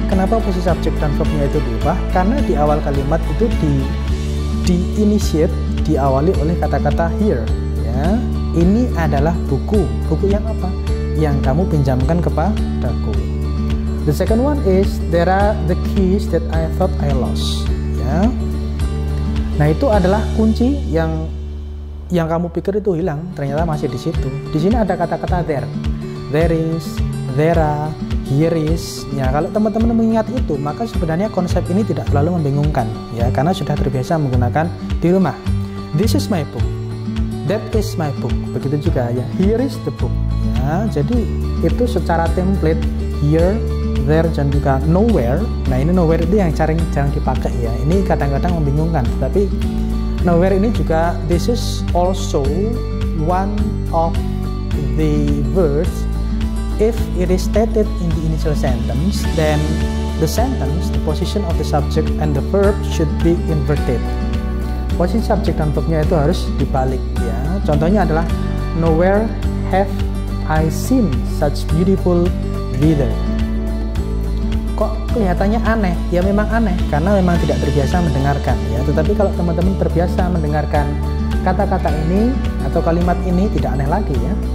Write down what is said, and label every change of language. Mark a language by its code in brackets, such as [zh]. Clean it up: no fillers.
[id] Kenapa posisi subject dan verbnya itu diubah? Karena di awal kalimat itu di-initiate, diawali oleh kata-kata here, ya. Ini adalah buku. Buku yang apa? Yang kamu pinjamkan kepadaku. [en] The second one is, there are the keys that I thought I lost. [id] Ya. Nah, itu adalah kunci yang kamu pikir itu hilang, ternyata masih di situ. Di sini ada kata-kata there. There is, there are, here is. Ya, kalau teman-teman mengingat itu, maka sebenarnya konsep ini tidak terlalu membingungkan. Ya, karena sudah terbiasa menggunakan di rumah. [en] This is my book. That is my book. [id] Begitu juga ya. [en] Here is the book. [id] Ya, jadi itu secara template here, there, dan juga nowhere. Nah, ini nowhere itu yang jarang dipakai ya. Ini kadang-kadang membingungkan, tapi nowhere ini juga, [en] this is also one of the words. If it is stated in the initial sentence, then the sentence, the position of the subject and the verb should be inverted. [id] Posisi subject dan verbnya itu harus dibalik ya. Contohnya adalah, [en] nowhere have I seen such beautiful weather. [id] Kok kelihatannya aneh? Ya memang aneh, karena memang tidak terbiasa mendengarkan ya. Tetapi kalau teman-teman terbiasa mendengarkan kata-kata ini atau kalimat ini, tidak aneh lagi ya.